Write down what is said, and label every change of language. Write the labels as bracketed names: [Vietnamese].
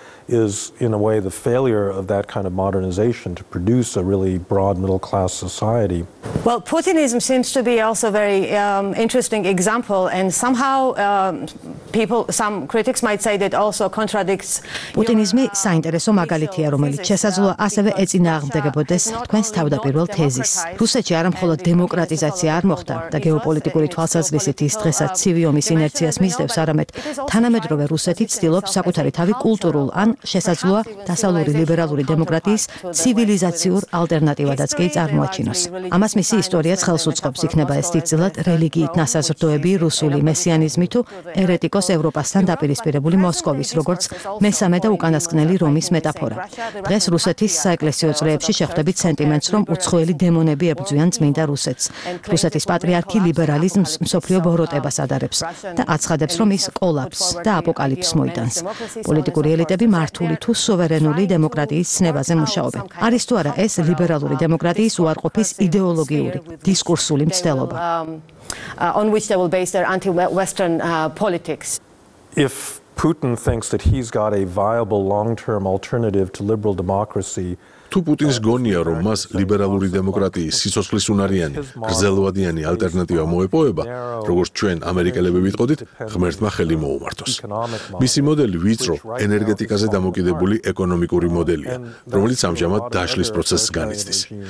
[English] Is in a way the failure of that kind of modernization to produce a really broad middle class society. Well, Putinism seems to be also very interesting example, and somehow some critics might say that also contradicts [Georgian] Putinizmi საინტერესო მაგალითია, რომელიც შესაძლოა ასევე ეწინააღმდეგებოდეს თქვენს თავდაპირველ თეზის. რუსეთში არ მხოლოდ დემოკრატიზაცია არ მოხდა და გეოპოლიტიკური თვალსაზრისით ის დღესაც ცივი ომის ინერციას მისდევს, არამედ თანამედროვე რუსეთი ცდილობს საკუთარი თავი კულტურულ ან შესაძლოა დასავლური ლიბერალური დემოკრატიის ცივილიზაციურ ალტერნატივადაც კი წარმოაჩინოს. ამას მისი ისტორიაც ხელს უწყობს, იქნება ეს ძილად რელიგიით ნასაზრდოები, რუსული მესიანიზმი თუ ერეტიკოს ევროპასთან დაპირისპირებული მოსკოვის, როგორც მესამე და უკანასკნელი რომის მეტაფორა. დღეს რუსეთის საეკლესიო წრეებში შეხვდებით სენტიმენტს, რომ უცხოელი დემონები ებრძვიან წმინდა რუსეთს. რუსეთის პატრიარქი ლიბერალიზმს მსოფლიო ბოროტებას ადარებს და აცხადებს, რომ ის კოლაფს და აპოკალიფს მოიტანს. პოლიტიკური ელიტები მართული თუ სუვერენული დემოკრატიის ცნებაზე მუშაობენ. არის თუ არა ეს ლიბერალური დემოკრატიის უარყოფის იდეოლოგიური დისკურსული მცდელობა? [English] On which they will base their anti-Western politics. If Putin thinks that he's got a viable long-term alternative to liberal democracy, [Georgian] თუ პუტინს გონია, რომ მას ლიბერალური დემოკრატიის სიცოცხლის უნარიანი, გრძელვადიანი ალტერნატივა მოეპოვება, როგორც ჩვენ ამერიკელები ვიტყოდით, ღმერთმა ხელი მოუმართოს. მისი მოდელი ვიწრო, ენერგეტიკაზე დამოკიდებული ეკონომიკური მოდელია, რომელიც ამჟამად დაშლის პროცესს განიცდის.